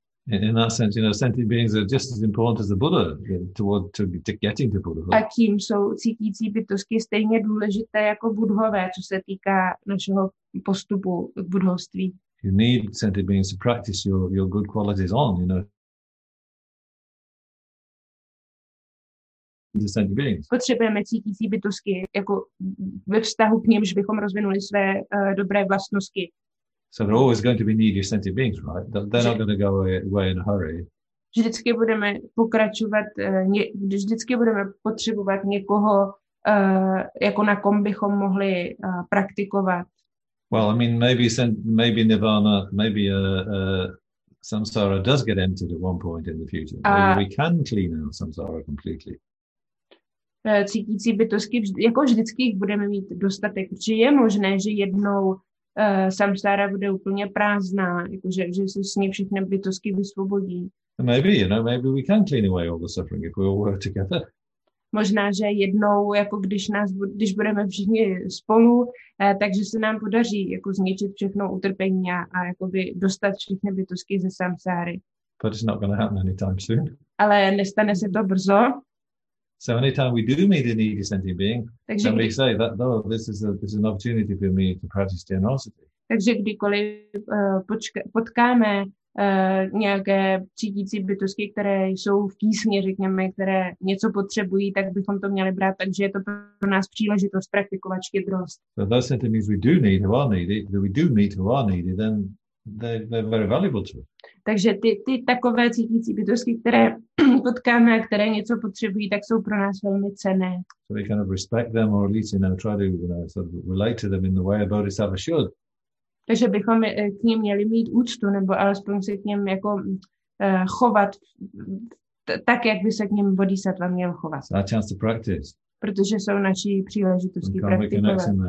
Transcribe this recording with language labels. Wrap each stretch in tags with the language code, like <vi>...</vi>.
<en>In that sense, you know, sentient beings are just as important as the Buddha, you know, to getting to Buddhahood.</en> <cs>A tím jsou cítící bytosti stejně důležité jako budhové, co se týká našeho postupu k budhoství.</cs> <en>You need sentient beings to practice your good qualities on, you know. The sentient beings.</en> <cs>Potřebujeme cítící bytosti jako ve vztahu k nímž bychom rozvinuli své dobré vlastnosti.</cs> <en>So they're always going to be needy sentient beings, right? They're not going to go away in a hurry.</en> <cs>Vždycky budeme pokračovat, vždycky budeme potřebovat někoho, jako na kom bychom mohli praktikovat.</cs> <en>Well, I mean, maybe nirvana, maybe samsara does get entered at one point in the future. Maybe we can clean out samsara completely.</en> <cs>Cítící bytosti, jako vždycky budeme mít dostatek, protože je možné, že jednou samsára bude úplně prázdná, jakože že se s ní všechny bytosti vysvobodí.</cs> <en>Maybe, you know, maybe we can clean away all the suffering if we all work together.</en> <cs>Možná, že jednou, jako když budeme všichni spolu, takže se nám podaří jako zničit všechno utrpení a jakoby dostat všechny bytosti ze samsáry.</cs> <en>But it's not going to happen anytime soon.</en> <cs>Ale nestane se to brzo.</cs> <en>So anytime we do meet a needy sentient being,</en> <cs>takže</cs> <en>then we say that though this is an opportunity for me to practice generosity.</en> <cs>Takže kdykoliv potkáme nějaké cítící bytosti, které jsou v tísni, řekněme, které něco potřebují, tak bychom to měli brát, takže je to pro nás příležitost praktikovat štědrost.</cs> <en>So those sentient beings we do need, who are needy, that we do meet, who are needy, then they're very valuable to us.</en> <cs>Takže ty takové cítící bytosti, které potkáme, které něco potřebují, tak jsou pro nás velmi cenné.</cs> <en>So we kind of respect them, or at least, you know, try to, you know, sort of relate to them in the way a bodhisattva should.</en> <cs>Takže bychom k ním měli mít úctu, nebo alespoň se k ním jako chovat tak, jak by se k ním bodhisattva měl chovat.</cs> <en>Our chance to practice.</en> <cs>Protože jsou naší příležitosti praktikovat.</cs>